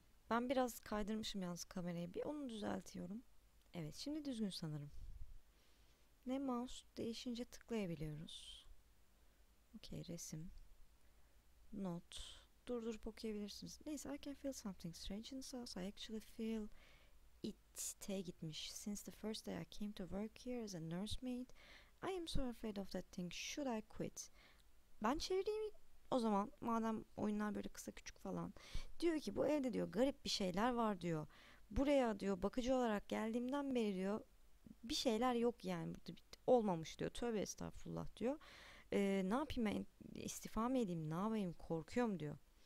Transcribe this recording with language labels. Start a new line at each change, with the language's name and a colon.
Turkish: Ben biraz kaydırmışım yalnız kamerayı. Bir onu düzeltiyorum. Evet, şimdi düzgün sanırım. Ne mouse değişince tıklayabiliyoruz. Okey, resim. Not. Durdurup okuyabilirsiniz.
English: Neyse, I can feel something strange in this house. I actually feel it.
Turkish: T gitmiş.
English: Since the first day I came to work here as a nursemaid, I am so afraid of that thing. Should I quit?
Turkish: Ben çevireyim o zaman. Madem oyunlar böyle kısa küçük falan. Diyor ki bu evde diyor garip bir şeyler var diyor. Buraya diyor bakıcı olarak geldiğimden beri diyor bir şeyler yok yani burada bir, olmamış diyor. Tövbe estağfurullah diyor. Ne yapayım ben istifa mı edeyim ne yapayım korkuyorum diyor.